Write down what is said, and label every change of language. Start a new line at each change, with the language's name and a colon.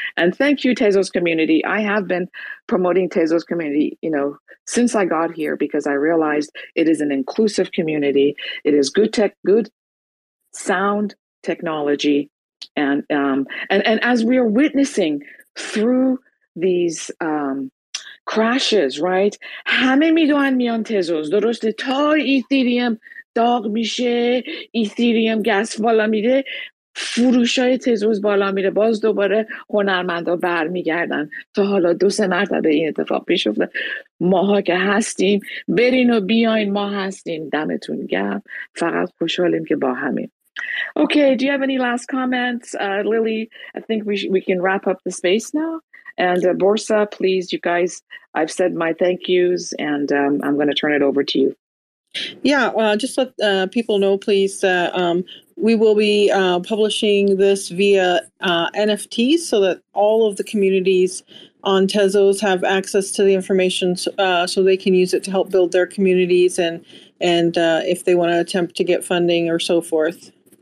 English: And thank you, Tezos community. I have been promoting Tezos community, you know, since I got here because I realized it is an inclusive community. It is good tech, good sound technology. And as we are witnessing through these crashes, right?
Persian: همه میدونن میان تزوس درسته تا ایتریوم داغ میشه ایتریوم گاز بالا میره فروش های تزوس بالا میره باز دوباره هنرمندا برمیگردن تا حالا دو سه مرتبه این اتفاق پیش افتاد ماها که هستیم برین و بیاین ما هستیم دمتون گرم فقط خوشحالیم که با همیم
English: Okay, do you have any last comments? Lily, I think we can wrap up the space now. And Borsa, please, you guys, I've said my thank yous, and I'm going to turn it over to you. Yeah, just let people know, please, that we will be publishing this via NFT so that all of the communities on Tezos have access to the information so they can use it to help build their communities and if they want to attempt to get funding or so forth.